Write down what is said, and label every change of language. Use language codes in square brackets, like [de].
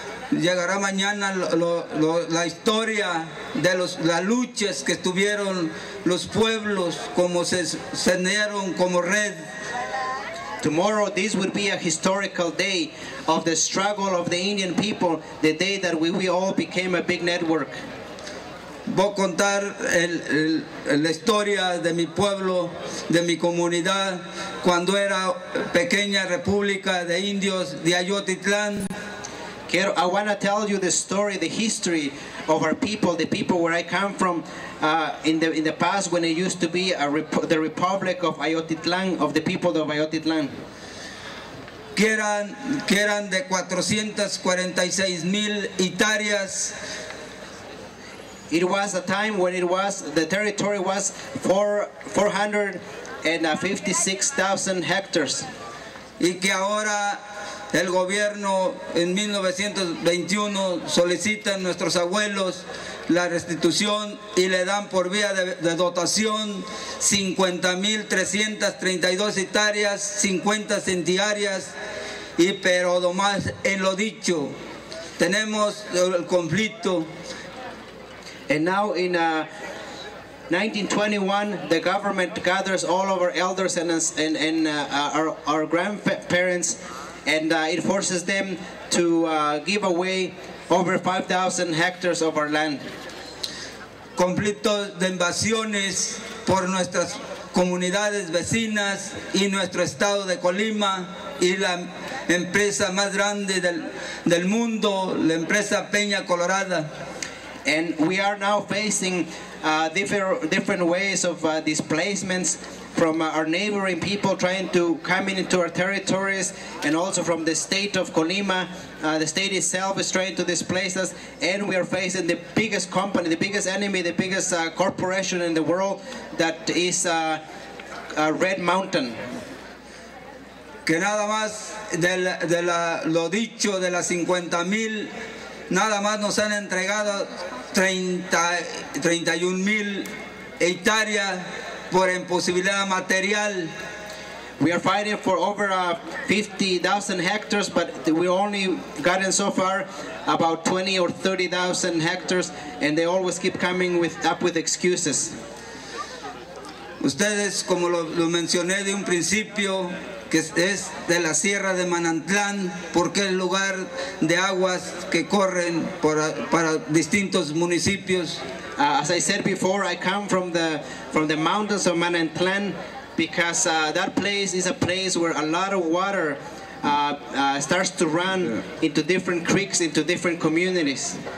[es] Llegará mañana la historia de las luchas que tuvieron los pueblos como se unieron como red. [en] Tomorrow this will be a historical day of the struggle of the Indian people, the day that we all became a big network. [es] Voy a contar la historia de mi pueblo, de mi comunidad, cuando era pequeña república de indios de Ayotitlán. [en] I want to tell you the story, the history of our people, the people where I come from, in the past when it used to be the Republic of Ayotitlán, of the people of Ayotitlán. [es] Que eran de 446 mil hectáreas. [en] It was a time when it was the territory was 456,000 hectares. [es] Y que ahora el gobierno en 1921 solicita a nuestros abuelos la restitución y le dan por vía de dotación 50,332 hectáreas, 50 centiarias, y pero nomás en lo dicho, tenemos el conflicto. [en] And now in 1921, the government gathers all of our elders and our grandparents, and it forces them to give away over 5,000 hectares of our land. [es] Conflicto de invasiones por nuestras comunidades vecinas y nuestro estado de Colima y la empresa más grande del mundo, la empresa Peña Colorada. [en] And we are now facing different ways of displacements from our neighboring people trying to come into our territories, and also from the state of Colima, the state itself is trying to displace us, and we are facing the biggest company, the biggest enemy, the biggest corporation in the world, that is Red Mountain. [es] Que nada más de la lo dicho de las 50,000, nada más nos han entregado 31,000 hectáreas por imposibilidad material. [en] We are fighting for over 50,000 hectares, but we only gotten so far about 20 or 30,000 hectares, and they always keep coming up with excuses. [es] Ustedes, como lo mencioné de un principio, que es de la Sierra de Manantlán, porque es lugar de aguas que corren para distintos municipios. [en] As I said before, I come from the mountains of Manantlán, because that place is a place where a lot of water starts to run into different creeks, into different communities.